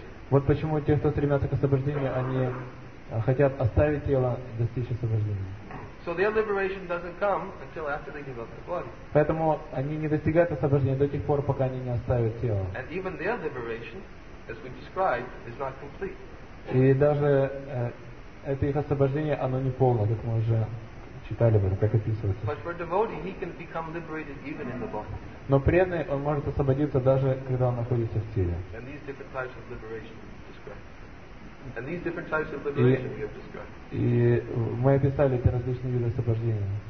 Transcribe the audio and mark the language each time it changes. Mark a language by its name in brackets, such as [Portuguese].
[Russian] Вот почему те, кто стремятся к освобождению, они хотят оставить тело и достичь освобождения. [English] So their liberation doesn't come until after they give up the body. [Russian] Поэтому они не достигают освобождения до тех пор, пока они не оставят тело. [English] And even their liberation, as we described, is not complete. [Russian] И даже это их освобождение, оно не полное, как мы уже читали, как описывается. [English] But for a devotee, he can become liberated even in the body. [Russian] Но преданный, он может освободиться даже, когда он находится в теле. [English] And these different types of liberation we described. And these different types of liberation we have described. [Russian] И мы описали эти различные виды освобождения.